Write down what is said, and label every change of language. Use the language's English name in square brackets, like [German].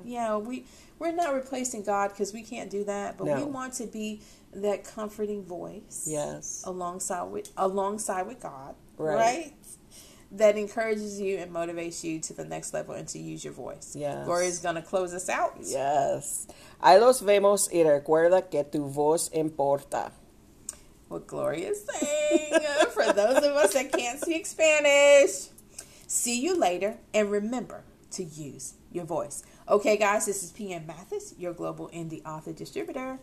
[English] Yeah. We're not replacing God because we can't do that. But no. we want to be that comforting voice. Yes. Alongside with God. Right. Right? That encourages you and motivates you to the next level and to use your voice. Yes. Gloria's going to close us out. Yes. [Spanish] Ahí los vemos y recuerda que tu voz importa. [English] What Gloria is saying for those of us that can't speak Spanish. See you later and remember to use your voice. Okay, guys, this is PM Mathis, your global indie author distributor.